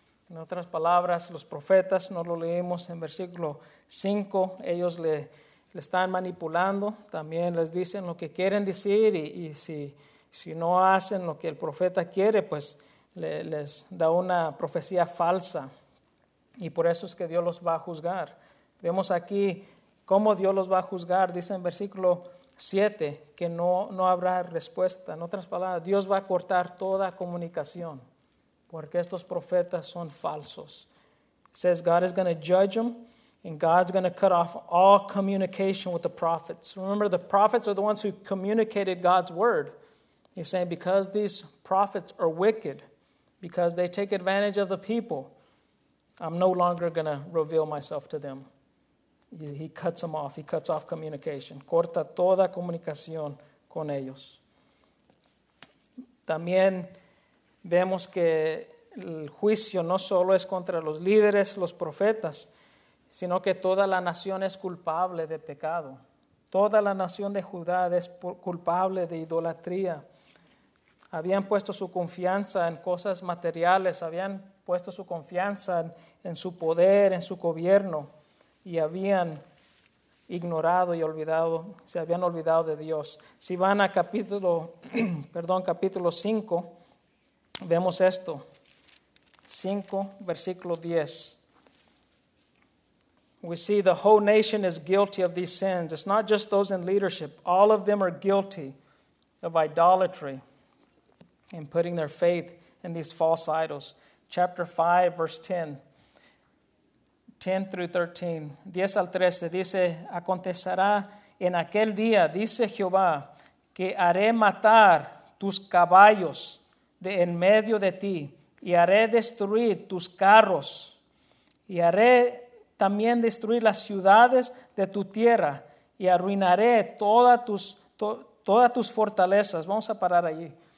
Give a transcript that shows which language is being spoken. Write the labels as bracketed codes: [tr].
[es] En otras palabras, los profetas, no lo leímos en versículo 5, ellos le están manipulando, también les dicen lo que quieren decir, y si no hacen lo que el profeta quiere, pues les da una profecía falsa, y por eso es que Dios los va a juzgar. Vemos aquí cómo Dios los va a juzgar, dice en versículo 7, que no habrá respuesta. En otras palabras, Dios va a cortar toda comunicación, porque estos profetas son falsos. [en] It says God is going to judge them, and God's going to cut off all communication with the prophets. Remember, the prophets are the ones who communicated God's word. He's saying because these prophets are wicked, because they take advantage of the people, I'm no longer going to reveal myself to them. He cuts them off. He cuts off communication. [es] Corta toda comunicación con ellos. También vemos que el juicio no solo es contra los líderes, los profetas, sino que toda la nación es culpable de pecado. Toda la nación de Judá es culpable de idolatría. Habían puesto su confianza en cosas materiales. Habían puesto su confianza en su poder, en su gobierno. Y habían ignorado y olvidado, se habían olvidado de Dios. Si van a capítulo 5, vemos esto. 5, versículo 10. [en] We see the whole nation is guilty of these sins. It's not just those in leadership. All of them are guilty of idolatry and putting their faith in these false idols. Chapter 5, verse 10. 10 through 13, [es] 10 al 13, dice, acontecerá en aquel día, dice Jehová, que haré matar tus caballos de en medio de ti, y haré destruir tus carros, y haré también destruir las ciudades de tu tierra, y arruinaré todas tus fortalezas. Vamos a parar allí.